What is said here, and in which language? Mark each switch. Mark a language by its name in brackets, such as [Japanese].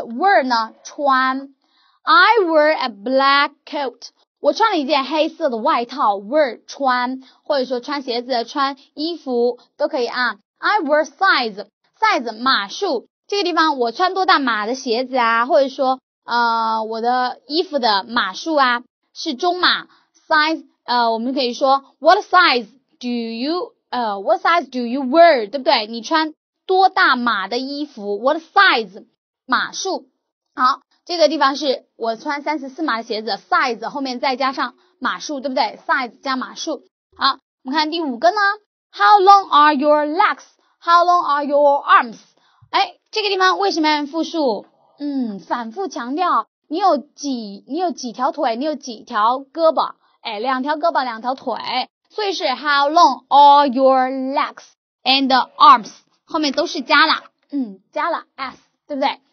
[Chinese] wear 呢，穿。 [English] I wear a black coat， [Chinese] 我穿了一件黑色的外套。 wear 穿，或者说穿鞋子穿衣服都可以啊。 [English] I wear size [Chinese] 码数，这个地方我穿多大码的鞋子啊，或者说我的衣服的码数啊是中码 size。我们可以说 [English] what size do youwhat size do you wear， [Chinese] 对不对？你穿多大码的衣服， [English] what size [Chinese] 码数。好，这个地方是我穿34码的鞋子， size 后面再加上码数，对不对？ size 加码数。好，我们看第五个呢， [English] how long are your legs， how long are your arms。 [Chinese] 哎，这个地方为什么要复数，反复强调你有几条腿，你有几条胳膊，哎，两条胳膊两条腿，所以是 [English] how long are your legs and arms， [Chinese] 后面都是加了加了 s， 对不对？